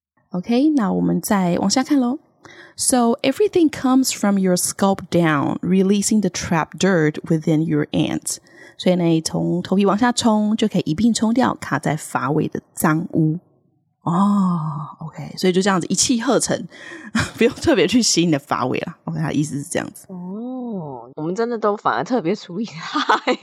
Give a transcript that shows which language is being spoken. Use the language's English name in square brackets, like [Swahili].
[Chinese] Okay, 那我们再往下看咯。 [English] So everything comes from your scalp down, releasing the trapped dirt within your ends. [Chinese] 所以呢，从头皮往下冲，就可以一并冲掉卡在发尾的脏污。哦 ，OK， 所以就这样子一气呵成，不用特别去洗你的发尾啦。 OK， 他意思是这样子。哦，我们真的都反而特别注意它。